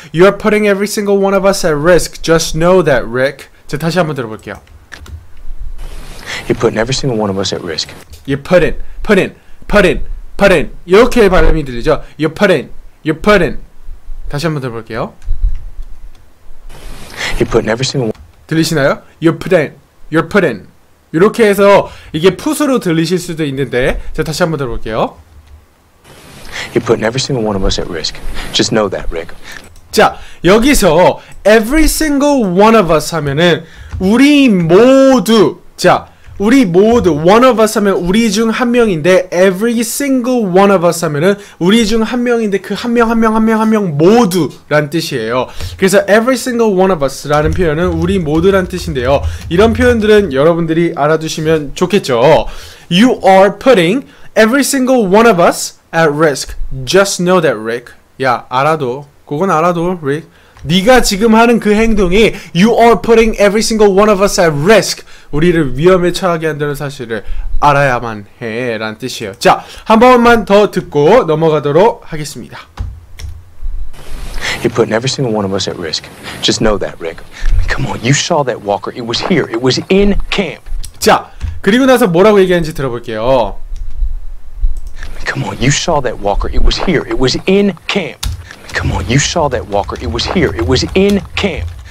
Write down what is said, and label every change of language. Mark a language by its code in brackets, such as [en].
[en] You are putting every single one of us at risk. Just know that, Rick. [ko] 자, 다시 한번 들어볼게요. [en] You're putting every single one of us at risk. You're putting, putting, putting, putting. [ko] 이렇게 발음이 들리죠? [en] You're putting, you're putting. [ko] 다시 한번 들어볼게요. [en] You're putting every single one. [ko] 들리시나요? [en] You're putting, you're putting. [ko] 이렇게 해서 이게 put으로 들리실 수도 있는데 자, 다시 한번 들어볼게요. [en] You're putting every single one of us at risk. Just know that, Rick. [ko] 자, 여기서 [en] every single one of us [ko] 하면은 우리 모두, 자, 우리 모두, [en] one of us [ko] 하면 우리 중 한 명인데 every single one of us 하면은 우리 중 한 명인데 그 한 명 한 명 한 명 한 명 모두 란 뜻이에요. 그래서 [en] every single one of us [ko] 라는 표현은 우리 모두 란 뜻인데요. 이런 표현들은 여러분들이 알아두시면 좋겠죠. [en] You are putting every single one of us at risk. Just know that, Rick. [ko] 야, 알아도, 그건 알아도, [en] Rick. [ko] 네가 지금 하는 그 행동이 [en] You are putting every single one of us at risk. [ko] 우리를 위험에 처하게 한다는 사실을 알아야만 해 라는 뜻이에요. 자, 한 번만 더 듣고 넘어가도록 하겠습니다. [en] You're putting every single one of us at risk. Just know that, Rick. Come on, you saw that walker. It was here. It was in camp. [ko] 자, 그리고 나서 뭐라고 얘기하는지 들어볼게요. [en] Come on, you saw that walker. It was here. It was in camp. Come on, you saw that walker. It was here. It was in camp.